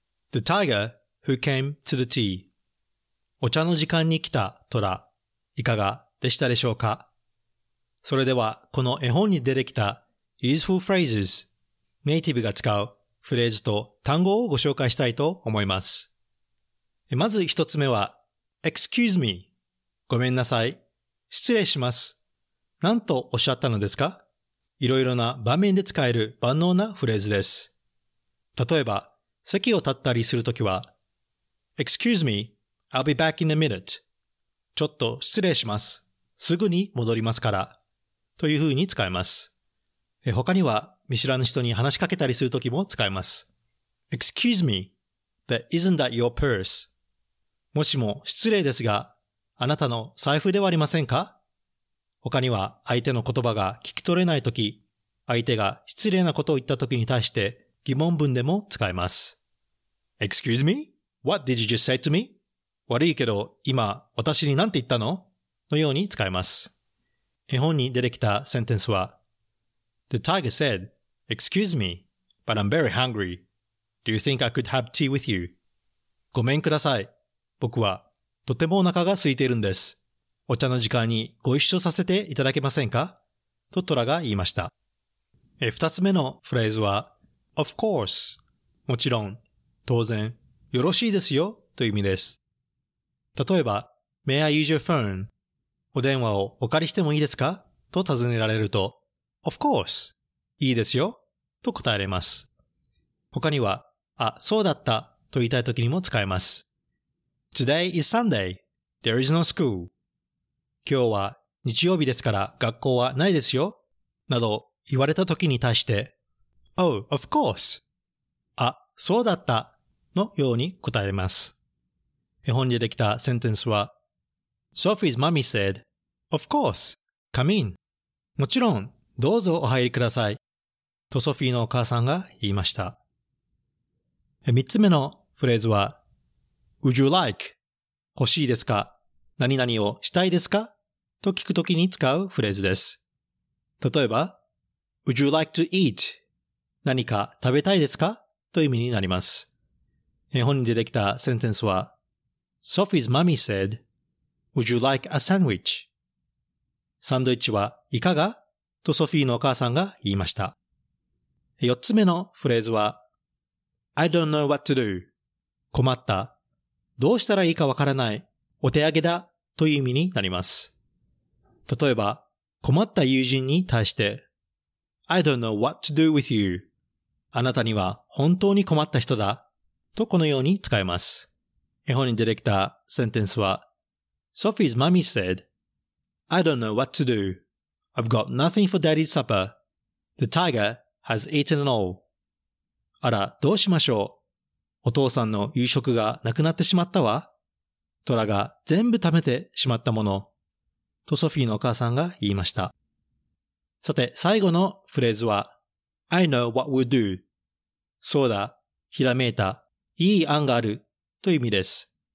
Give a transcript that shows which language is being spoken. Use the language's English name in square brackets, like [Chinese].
[English] The tiger who came to the tea. [Japanese] お茶の時間に来たトラ、いかがでしたでしょうか? それでは、この絵本に出てきた [English] useful phrases、 [Japanese] ネイティブが使うフレーズと単語をご紹介したいと思います。まず一つ目は、excuse me、ごめんなさい、失礼します。何とおっしゃったのですか?いろいろな場面で使える万能なフレーズです。例えば、席を立ったりするときは、 [English] excuse me、I'll be back in a minute. [Japanese] ちょっと失礼します。すぐに戻りますから、というふうに使えます。他には、見知らぬ人に話しかけたりするときも使えます。 [English] Excuse me, but isn't that your purse? [Japanese] もしも失礼ですが、あなたの財布ではありませんか？他には、相手の言葉が聞き取れないとき、相手が失礼なことを言ったときに対して疑問文でも使えます。 [English] Excuse me? What did you just say to me? [Japanese] 悪いけど、今、私に何て言ったの？のように使えます。絵本に出てきたセンテンスは、 [English] The tiger said, Excuse me, but I'm very hungry. Do you think I could have tea with you? [Japanese] ごめんください。僕はとてもお腹が空いているんです。お茶の時間にご一緒させていただけませんか？とトラが言いました。二つ目のフレーズは、 [English] Of course. [Japanese] もちろん、当然、よろしいですよという意味です。例えば、 [English] May I use your phone? [Japanese] お電話をお借りしてもいいですか？と尋ねられると、 [English] Of course. [Japanese] いいですよ。と答えれます。他には、あ、そうだった。と言いたい時にも使えます。 [English] Today is Sunday. There is no school. [Japanese] 今日は日曜日ですから学校はないですよ。など言われた時に対して、 [English] Oh, of course. [Japanese] あ、そうだった。のように答えれます。絵本でできたセンテンスは、 [English] Sophie's mommy said, Of course. Come in. [Japanese] もちろん。どうぞお入りください。とソフィーのお母さんが言いました。三つ目のフレーズは、 [English] Would you like? [Japanese] 欲しいですか？何々をしたいですか？と聞くときに使うフレーズです。例えば、 [English] Would you like to eat? [Japanese] 何か食べたいですか？という意味になります。絵本に出てきたセンテンスは、 [English] Sophie's mommy said, Would you like a sandwich? [Japanese] サンドイッチはいかが？とソフィーのお母さんが言いました。四つ目のフレーズは、 [English] I don't know what to do. [Japanese] 困った。どうしたらいいかわからない。お手上げだ。という意味になります。例えば、困った友人に対して、 [English] I don't know what to do with you. [Japanese] あなたには本当に困った人だ。とこのように使えます。絵本に出てきたセンテンスは、 [English] Sophie's mommy said, I don't know what to do. I've got nothing for daddy's supper. The tiger has eaten it all. [Japanese] あら、どうしましょう。お父さんの夕食がなくなってしまったわ。トラが全部食べてしまったもの。とソフィーのお母さんが言いました。さて、最後のフレーズは、 [English] I know what we'll do. [Japanese] そうだ、ひらめいた、いい案がある、という意味です。